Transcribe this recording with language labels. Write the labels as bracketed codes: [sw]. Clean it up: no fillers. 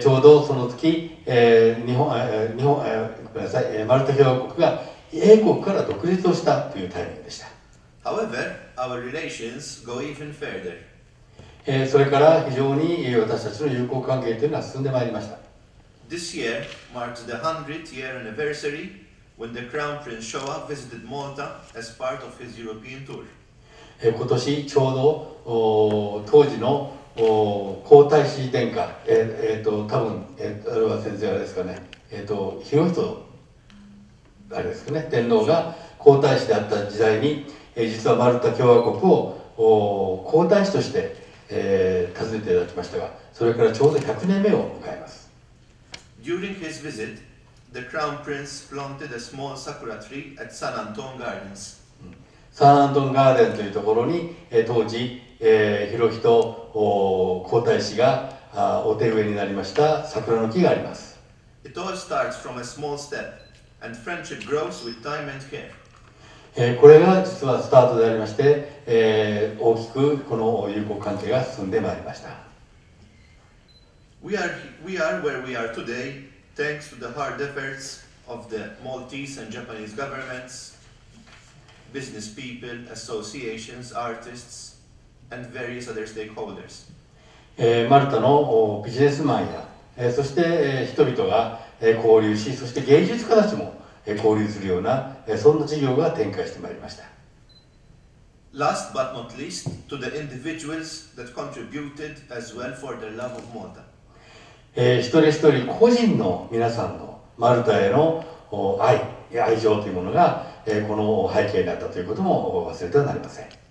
[ja] ちょうどその時、マルタ共和国が英国から独立をしたというタイミングでした。 [en] However, our relations go even further. [ja] それから非常に私たちの友好関係というのは進んでまいりました。 [en] This year marks the 100th year anniversary when the Crown Prince Showa visited Malta as part of his European tour. [ja] 今年ちょうど当時の皇太子殿下、多分、あれは先生あれですかね、裕仁あれですかね、天皇が皇太子であった時代に、実はマルタ共和国を皇太子として、訪ねていただきましたが、それからちょうど100年目を迎えます。 [en] During his visit, the Crown Prince planted a small sakura tree at San Antonio Gardens. [ja] サンアントンガーデンというところに、当時、裕仁皇太子がお手植えになりました桜の木があります。 [en] It all starts from a small step, and friendship grows with time and care. [ja] これが実はスタートでありまして、大きくこの友好関係が進んでまいりました。 [en] We are where we are today, thanks to the hard efforts of the Maltese and Japanese governments, business people, associations, artists. And various other stakeholders. [ja] マルタのビジネスマンや、そして人々が交流し、そして芸術家たちも交流するような、そんな事業が展開してまいりました。 [en] Last but not least, to the individuals that contributed as well for their love of Malta. [ja] 一人一人個人の皆さんのマルタへの愛情というものが、この背景にあったということも忘れてはなりません。